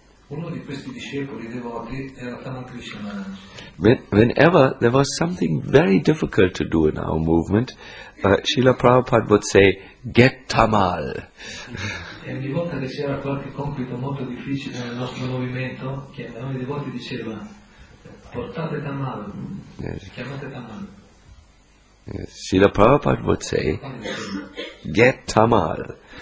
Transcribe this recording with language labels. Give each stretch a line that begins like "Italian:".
Italian: Uno di questi discepoli devoti era Tamakrishna Maharaj.
English: Whenever there was something very difficult to do in our movement, Srila Prabhupada would say, get Tamal.
Italian: E ogni volta che c'era qualche compito molto difficile nel nostro movimento, che ogni devoti diceva, portate Tamal.
English: Yes. Srila Prabhupada would say, get Tamal.